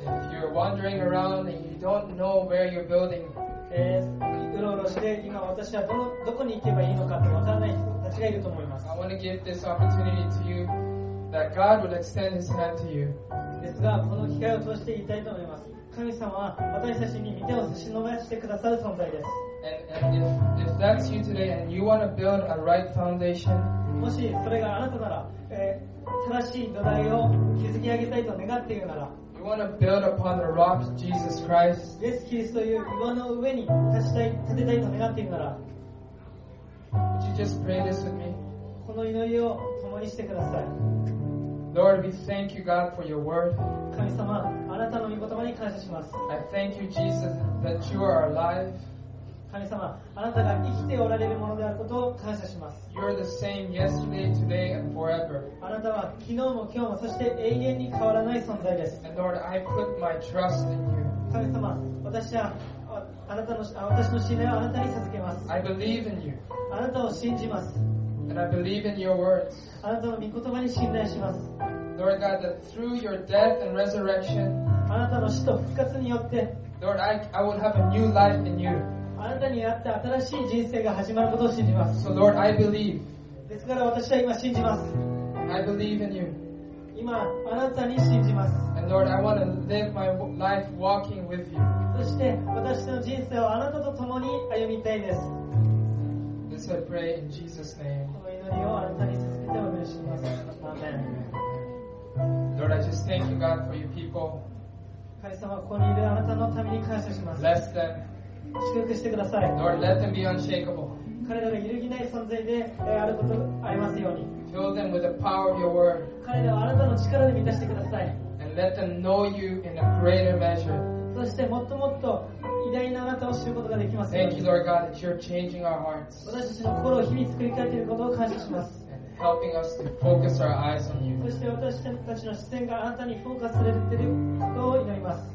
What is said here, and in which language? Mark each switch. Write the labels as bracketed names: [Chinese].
[English] If you're wandering around and you don't know where you're building, [Japanese] うろうろして今私はどこに行けばいいのかって分からない人たちがいると思います。 [English] I want to give this opportunity to you that God will extend His hand to you。 [Japanese] ですがこの機会を通して言いたいと思います。神様は私たちに御手を差し伸ばしてくださる存在です。 [English] And if that's you today and you want to build a right foundation, [Japanese] もしそれがあなたなら、正しい土台を築き上げたいと願っているなら、 [English] you want to build upon the rock Jesus Christ, [Japanese] イエス・キリストという岩の上に立てたいと願っているなら、 [English] would you just pray this with me? [Japanese] この祈りを共にしてください。 [English] Lord, we thank you, God, for your word. [Japanese] 神様、あなたの御言葉に感謝します。 [English] I thank you, Jesus, that you are alive. [Japanese] 神様、あなたが生きておられるものであることを感謝します。 [English] You're the same yesterday, today, and forever. [Japanese] あなたは昨日も今日もそして永遠に変わらない存在です。 [English] And Lord, I put my trust in you. [Japanese] 神様、私の信頼をあなたに授けます。 [English] I believe in you. [Japanese] あなたを信じます。 [English] And I believe in your words. [Japanese] あなたの御言葉に信頼します。 [English] Lord God, that through your death and resurrection, [Japanese] あなたの死と復活によって、 [English] Lord, I will have a new life in you. [Japanese] あなたに会って新しい人生が始まることを信じます。 [English] So Lord, I believe. [Japanese] ですから私は今信じます。 [English] I believe in you. [Japanese] 今あなたに信じます。 [English] And Lord, I want to live my life walking with you. [Japanese] そして私の人生をあなたと共に歩みたいです。 [English] This I pray in Jesus' name. [Japanese] この祈りをあなたに捧げてお願いします。 [English] Amen. Lord, I just thank you, God, for your people. [Japanese] 神様、ここにいるあなたのために感謝します。 [English] Bless them. [Japanese] 祝福してください。 [English] Lord, let them be unshakable. [Japanese] 彼らが揺るぎない存在であることありますように。 [English] Fill them with the power of your word. [Japanese] 彼らをあなたの力で満たしてください。 [English] And let them know you in a greater measure. [Japanese] そしてもっともっと偉大なあなたを知ることができますように。 [English] Thank you, Lord God, that you're changing our hearts. [Japanese] 私たちの心を日々作り変えていることを感謝します。 [English] And helping us to focus our eyes on you. [Japanese] そして私たちの視線があなたにフォーカスされていることを祈ります。